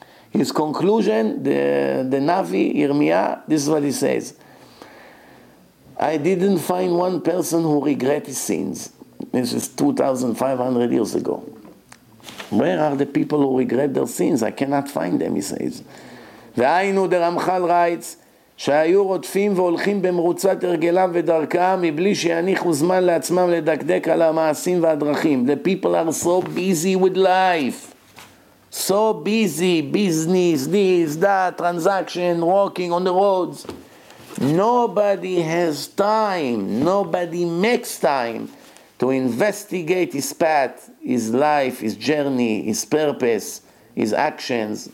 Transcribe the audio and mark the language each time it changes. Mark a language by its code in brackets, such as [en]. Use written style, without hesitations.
[en] His conclusion, the Navi Yirmiya, this is what he says. I didn't find one person who regret his sins. This is 2,500 years ago. Where are the people who regret their sins? I cannot find them, he says. [he] והיינו דרמחל רייץ שהיו רוטפים והולכים במרוצת הרגלם ודרכם מבלי שיניחו זמן לעצמם לדקדק על המעשים והדרכים. [en] The people are so busy with life. So busy, business, this, that, transaction, walking on the roads. Nobody has time, nobody makes time to investigate his path, his life, his journey, his purpose, his actions.